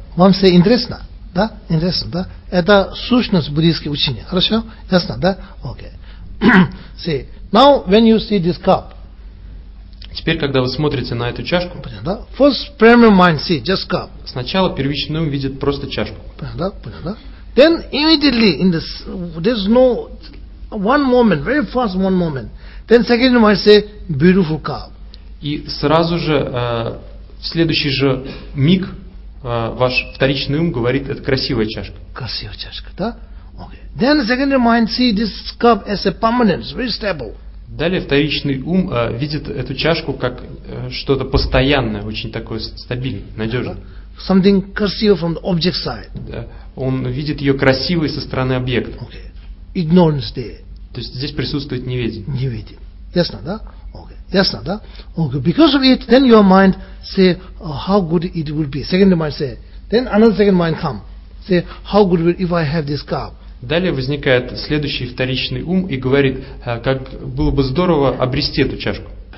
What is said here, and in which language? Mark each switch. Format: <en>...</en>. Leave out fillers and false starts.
<ru>Вам все интересно? Да? Интересно, да? Это сущность буддийского учения. Хорошо? Ясно, да?</ru> <en>Okay. See, now when you see this cup.</en> <ru>Теперь, когда вы смотрите на эту чашку. Понятно, да?</ru> <en>First primary mind see just cup.</en> <ru>Сначала первичный ум видит просто чашку. Понятно, да? Понятно, да?</ru> <en>Then immediately in this, there's no one moment, very fast one moment. Then second mind say beautiful cup.</en> <ru>И сразу же в следующий же миг ваш вторичный ум говорит, это красивая чашка. Красивая чашка, да? Okay.</ru> <en>Then the secondary mind see this cup as a permanent, very stable.</en> <ru>Далее вторичный ум видит эту чашку как что-то постоянное, очень такое стабильное, надежное.</ru> <en>Something красивое from the object side.</en> <ru>Да. Он видит ее красивой со стороны объекта.</ru> <en>Okay. Ignorance there.</en> <ru>То есть здесь присутствует неведение. Неведение. Ясно, да? Ясно, да? Okay.</ru> <en>Because of it, then your mind say, oh, how good it will be. Second mind say. Then another second mind come. Say, how good will if I have this cup.</en> <ru>Далее возникает следующий вторичный ум и говорит, как было бы здорово обрести эту чашку.</ru>